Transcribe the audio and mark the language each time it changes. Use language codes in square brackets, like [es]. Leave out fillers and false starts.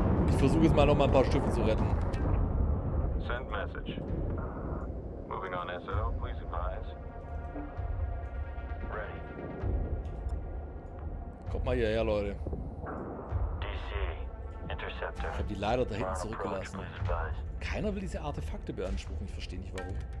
[de] Ich versuche jetzt mal noch mal ein paar Schiffe zu retten. [en] Send message. Moving on SO, please advise. [de] Kommt mal hierher, Leute. [en] DC, Interceptor. [de] Ich habe die leider da hinten zurückgelassen. Keiner will diese Artefakte beanspruchen, ich verstehe nicht warum.